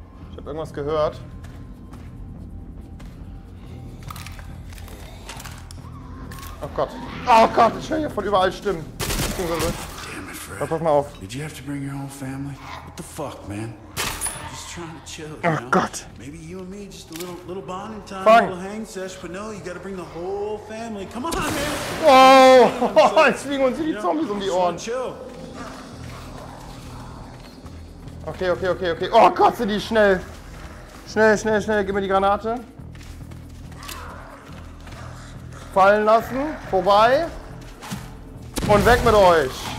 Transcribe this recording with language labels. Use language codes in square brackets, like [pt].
[de] Ich hab irgendwas gehört. Oh Gott. Oh Gott, ich höre hier von überall Stimmen. Beziehungsweise. Ja, pass mal auf. [en] Did you have to bring your whole family? What the fuck, man? I'm just trying to chill. Oh, you know? [de] Gott. [en] Maybe you and me just a little bonding time, fine. A little hang sesh, but no, you gotta bring the whole family. Come on, man. Wow. [de] Jetzt fliegen uns die Zombies um die Ohren. Okay, okay, okay, okay. Oh Gott, sind die schnell. Schnell, schnell, schnell. Gib mir die Granate. Fallen lassen. Vorbei. Und weg mit euch.